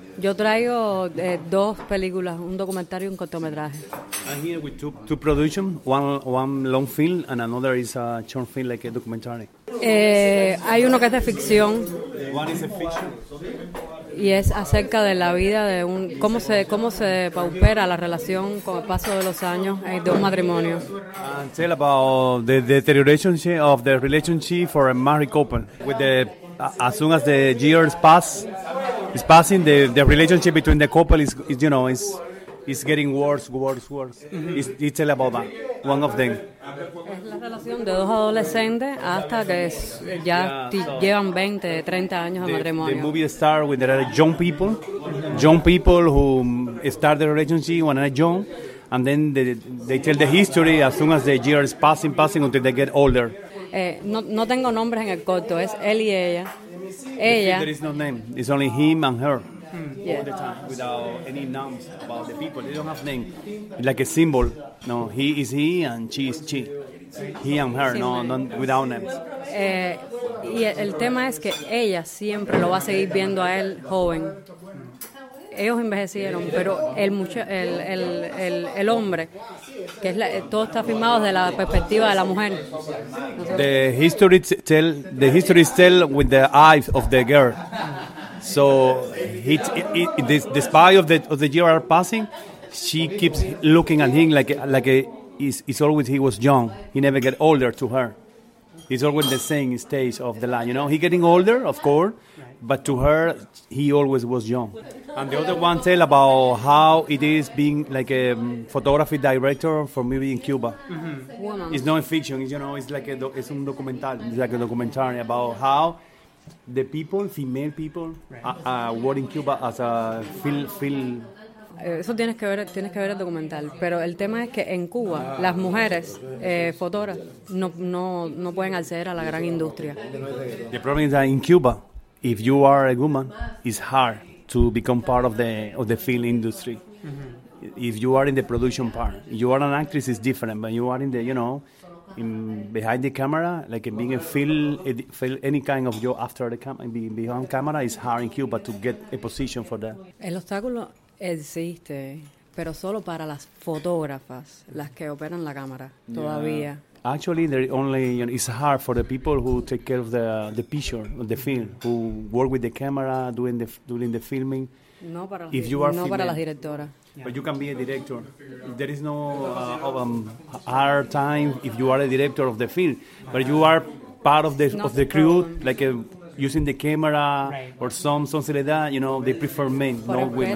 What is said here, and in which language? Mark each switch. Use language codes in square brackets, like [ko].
[es] Yo traigo dos películas, un documentario y un cortometraje. [en] I'm here with two productions, one long film and another is a short film, like a documentary. [es] Hay uno que es de ficción. [en] One is a fiction. [es] Y es acerca de la vida de un cómo se paupera la relación con el paso de los años de un matrimonio. [en] And tell about the deterioration of the relationship for a married couple with the as soon as the years pass, is passing, the relationship between the couple is getting worse. Mm-hmm. It's all about that, one of them. [es] Es la relación de dos adolescentes hasta que ya llevan 20, 30 años de matrimonio. [en] The movie starts with young people who start the relationship when they're young, and then they tell the history as soon as the years passing until they get older. [es] No tengo nombres en el corto, es él y ella. Ella. [en] There is no name. It's only him and her. Mm. Yeah. All the time, without any names about the people. They don't have name. Like a symbol. No, he is he and she is she. He and her, no, without names. [es] Y el tema es que ella siempre lo va a seguir viendo a él joven. Ellos envejecieron, pero el hombre, que es todo está filmado desde la perspectiva de la mujer. [en] The history tell with the eyes of the girl. So despite of the year are passing, she keeps looking at him like he's always, he was young. He never get older to her. He's always the same stage of the line. You know, he getting older, of course, but to her, he always was young. And the other one tell about how it is being like a photography director for movie in Cuba. Mm-hmm. It's not a fiction. It's, you know, it's like a documentary about how the people, female people, were in Cuba as a film. [es] Eso tienes que ver el documental, pero el tema es que en Cuba las mujeres fotógrafas no pueden acceder a la gran industria. [en] The problem is that in Cuba, if you are a woman, it's hard to become part of the film industry. Mm-hmm. If you are in the production part, you are an actress, it's different. But you are in the, you know, in behind the camera, like being a film, any kind of job after the camera, being behind camera, is hard in Cuba to get a position for that. [es] El obstáculo existe, pero solo para las fotógrafas, las que operan la cámara, todavía. [en] Yeah. Actually, they're only, you know, it's hard for the people who take care of the picture, the film, who work with the camera, doing the filming. [es] No para las, [en] if you are no female, [es] para las directoras. [en] Yeah. But you can be a director. There is no hard time if you are a director of the film, but you are part of the crew, like using the camera or some like that, you know, they prefer men, no women.